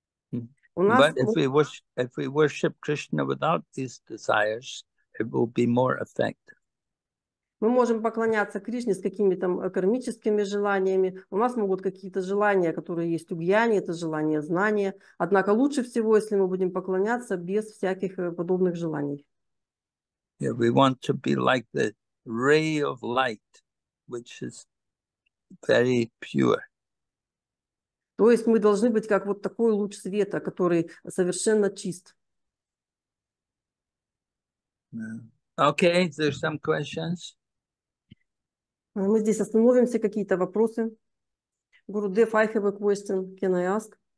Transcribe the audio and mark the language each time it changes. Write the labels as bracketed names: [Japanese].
[English] But if we worship Krishna without these desires, it will be more effective. [Russian] Мы можем поклоняться Кришне с какими-то кармическими желаниями. У нас могут какие-то желания, которые есть у гьяни, это желание знания. Однако лучше всего, если мы будем поклоняться без всяких подобных желаний. [English] Yeah, we want to be like the ray of light, which is very pure. [Russian] То есть мы должны быть как вот такой луч света, который совершенно чист. [English] Okay, there's some questions. [Russian] Мы здесь остановимся, какие-то вопросы. [English] Gurudev, I have a question. Can I ask?